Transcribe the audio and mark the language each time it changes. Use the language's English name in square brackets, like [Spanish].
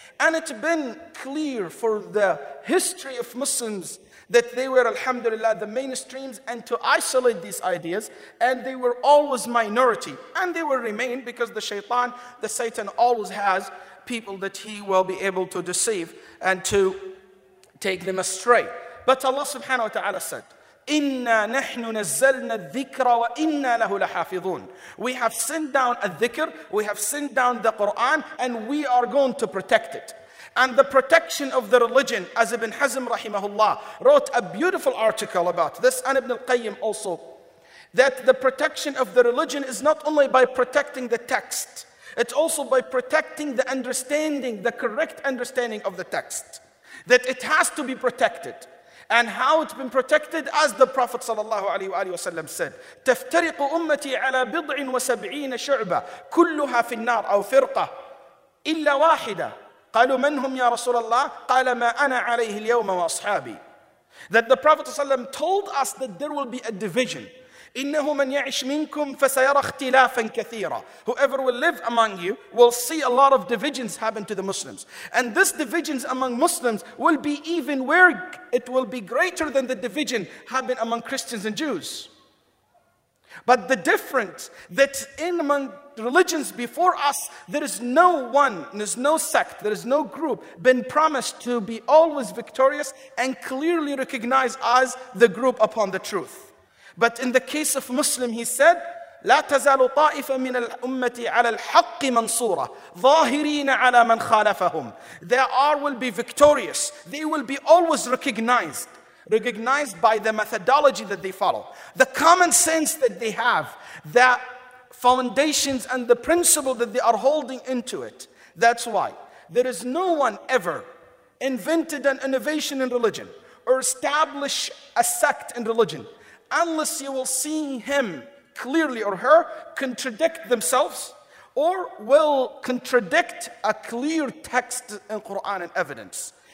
[English] And it's been clear for the history of Muslims that they were, alhamdulillah, the mainstreams, and to isolate these ideas, and they were always minority. And they will remain, because the shaitan, the Satan, always has people that he will be able to deceive and to take them astray. But Allah subhanahu wa ta'ala said, [Arabic] إِنَّا نَحْنُ نَزَّلْنَا الذِّكْرَ وَإِنَّا لَهُ لَحَافِظُونَ. [English] We have sent down a dhikr, we have sent down the Qur'an, and we are going to protect it. And the protection of the religion, as Ibn Hazm rahimahullah wrote a beautiful article about this, and Ibn al-Qayyim also, that the protection of the religion is not only by protecting the text, it's also by protecting the understanding, the correct understanding of the text, that it has to be protected. And how it's been protected, as the Prophet sallallahu alaihi wasallam said, [Arabic] تَفْتَرِقُ أُمَّتِي عَلَى بِضْعٍ وَسَبْعِينَ شُعْبَةً كُلُّهَا فِي النَّارِ أَوْ فِرْقَةٍ إِلَّا وَاحِدَةً قَالُوا مَنْ هُمْ يَا رَسُولَ اللَّهِ قَالَ مَا أَنَا عَلَيْهِ الْيَوْمَ وَأَصْحَابِي. [English] That the Prophet ﷺ told us that there will be a division. [Arabic] إِنَّهُ مَنْ يَعِشْ مِنْكُمْ فَسَيَرَ اخْتِلَافًا كَثِيرًا. [English] Whoever will live among you will see a lot of divisions happen to the Muslims. And this divisions among Muslims will be even worse. It will be greater than the division happened among Christians and Jews. But the difference that in among religions before us, there is no one, there is no sect, there is no group been promised to be always victorious and clearly recognized as the group upon the truth. But in the case of Muslim, he said, [Arabic] لا تزال طائفة من الأمة على الحق منصورة ظاهرين على من خالفهم. [English] They are will be victorious. They will be always recognized. Recognized by the methodology that they follow, the common sense that they have, the foundations and the principle that they are holding into it. That's why there is no one ever invented an innovation in religion or established a sect in religion unless you will see him clearly or her contradict themselves or will contradict a clear text in Quran and evidence.